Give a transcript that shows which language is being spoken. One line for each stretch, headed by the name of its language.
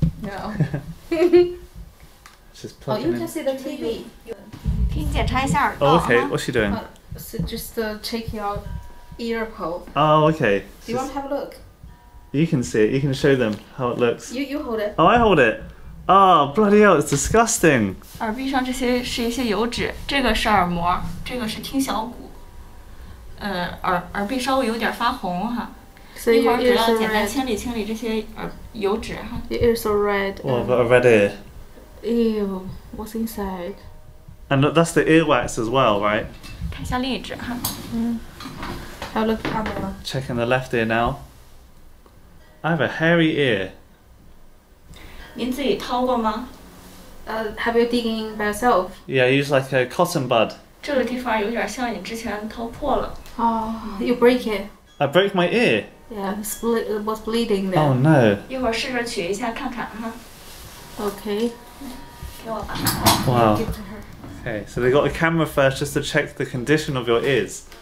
English: no. She's plugging in. Oh, you can see the TV. Can you check out? Oh, okay, what's she doing? So just checking out. Ear pole. Oh, okay. Do you want to have a look? You can see it. You can show them how it looks. You hold it. Oh, I hold it. Oh, bloody hell, it's disgusting.
Chinese: 耳壁上这些是一些油脂，这个是耳膜，这个是听小骨。耳壁稍微有点发红哈。
English: So
Chinese: 一会儿只要简单清理清理这些油脂哈。
English: Your ear is so red. Oh, I've got a red ear. Ew, what's inside? And look, that's the earwax as well, right?
Chinese: 看一下另一只哈。
English: 嗯。Have a look at the other one. Checking the left ear now. I have a hairy ear.
Chinese: 您自己掏过吗？
English: Have you digging by yourself? Yeah, use like a cotton bud.
Chinese: 这个地方有点像你之前掏破了。
English: Oh, you break it. I broke my ear. Yeah, it was bleeding there. Oh no.
Chinese: 一会儿试着取一下看看哈。
English: Okay.
Chinese: 给我吧。
English: Wow. Okay, so they got a camera first just to check the condition of your ears.